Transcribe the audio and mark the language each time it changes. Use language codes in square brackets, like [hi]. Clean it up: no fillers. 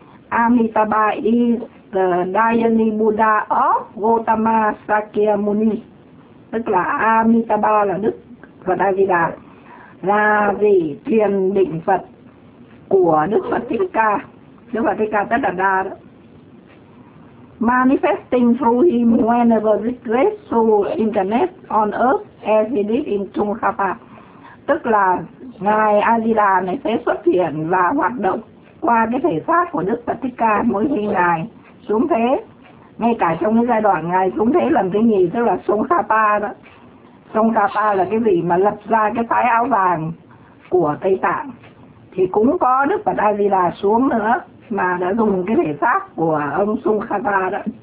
[en] Amitabha is the Dhyani Buddha of Gautama Sakyamuni. [vi] Tức là Amitabha là Đức Phật A Di Đà. Là vị thiền định Phật của Đức Phật Thích Ca, Đức Phật Thích Ca Tất Đạt Đa đó. [en] Manifesting through him whenever this great soul incarnates on earth as he did in Trungkhapa. [vi] Tức là Ngài A Di Đà này sẽ xuất hiện và hoạt động qua cái thể xác của Đức Phật Thích Ca mỗi khi Ngài xuống thế. Ngay cả trong cái giai đoạn Ngài xuống thế lần thứ nhì, tức là Trungkhapa đó. Trungkhapa là cái gì mà lập ra cái phái áo vàng của Tây Tạng thì cũng có Đức Phật A Di Đà xuống nữa mà đã dùng cái thể xác của ông Trungkhapa đó.